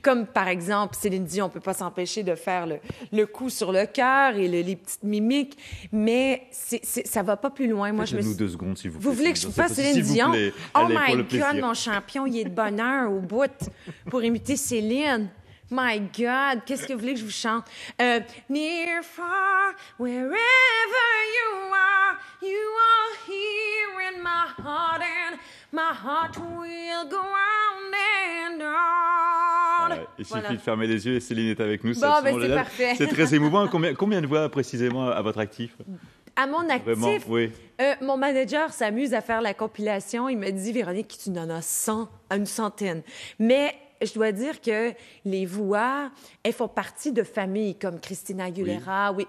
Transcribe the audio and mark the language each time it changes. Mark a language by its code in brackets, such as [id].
[fr] Comme par exemple, Céline Dion, on ne peut pas s'empêcher de faire le coup sur le cœur et les petites mimiques, mais ça ne va pas plus loin. Moi, faites-nous deux secondes, s'il vous plaît. Vous voulez que je vous fasse Céline Dion? Oh [en] my God, [fr] mon champion, il est de bonheur au bout pour imiter Céline. [en] My God, [fr] qu'est-ce que vous voulez que je vous chante? [en] Near, far, wherever you are here in my heart and my heart will go on and on. [fr] Il suffit de fermer les yeux et Céline est avec nous. C'est parfait. C'est très émouvant. Combien de voix précisément à votre actif? À mon actif, vraiment, oui. Mon manager s'amuse à faire la compilation. Il me dit, Véronique, tu en as 100, une centaine. Mais je dois dire que les voix, elles font partie de familles, comme Christina Aguilera, oui.